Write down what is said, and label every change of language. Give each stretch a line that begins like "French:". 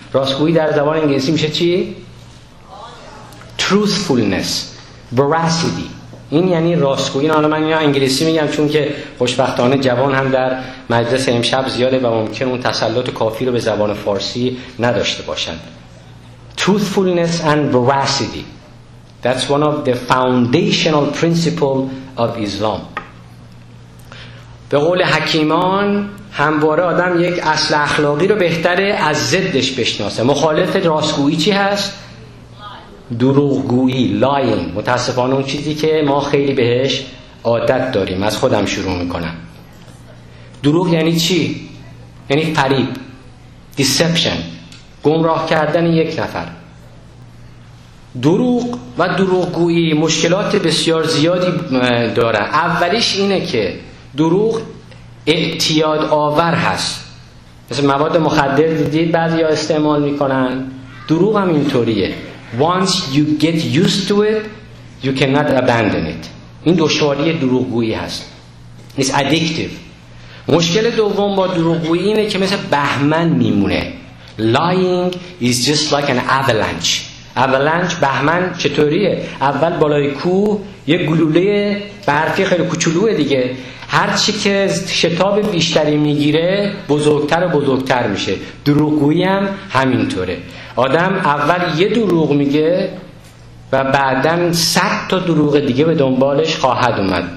Persian: راستگویی در زبان انگلیسی میشه چی؟ truthfulness، veracity. این یعنی راستگویی. حالا من اینا انگلیسی میگم چون که خوشبختانه جوان هم در مجلس امشب زیاده و ممکن اون تسلط کافی رو به زبان فارسی نداشته باشند.
English: truthfulness and veracity. That's one of the foundational principle of Islam.
Persian: به قول حکیمان، همواره آدم یک اصل اخلاقی رو بهتره از ضدش بشناسه. مخالف راستگویی چی هست؟ دروغگویی، lying. متاسفانه اون چیزی که ما خیلی بهش عادت داریم. از خودم شروع میکنم. دروغ یعنی چی؟ یعنی فریب، deception، گمراه کردن یک نفر. دروغ و دروغگویی مشکلات بسیار زیادی داره. اولیش اینه که دروغ اعتیاد آور هست. مثل مواد مخدر دیدید بعضی ها استعمال میکنن، دروغ هم اینطوریه.
English: Once you get used to it, you cannot abandon it.
Persian: این دشواری دروغگویی هست.
English: It's addictive.
Persian: مشکل دوم با دروغگویی اینه که مثل بهمن میمونه.
English: Lying is just like an avalanche.
Persian: Avalanche، بهمن چطوریه؟ اول بالای کوه یه گلوله برفی خیلی کوچولوه دیگه. هر چی که شتاب بیشتری میگیره بزرگتر و بزرگتر میشه. دروغگویی هم همینطوره. آدم اول یه دروغ میگه و بعدن 100 تا دروغ دیگه به دنبالش خواهد اومد.